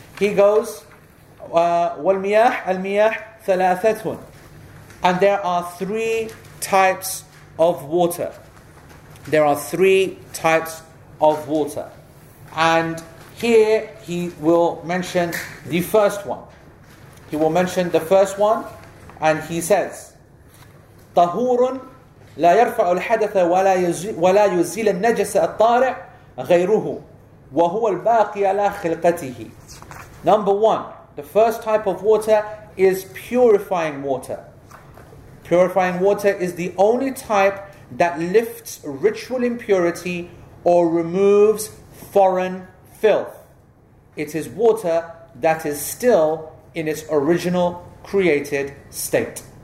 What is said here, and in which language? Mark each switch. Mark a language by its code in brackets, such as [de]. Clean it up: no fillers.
[en] He goes, [ar] والمياه المياه ثلاثتون, [en] and there are three types of water. There are three types of water, and here he will mention the first one. He will mention the first one, and he says, [ar] طهورٌ لا يرفع الحدث ولا يزيل النجس الطارع غيره وهو الباقي على خلقته. [en] Number one, the first type of water is purifying water. Purifying water is the only type that lifts ritual impurity or removes foreign filth. It is water that is still in its original created state.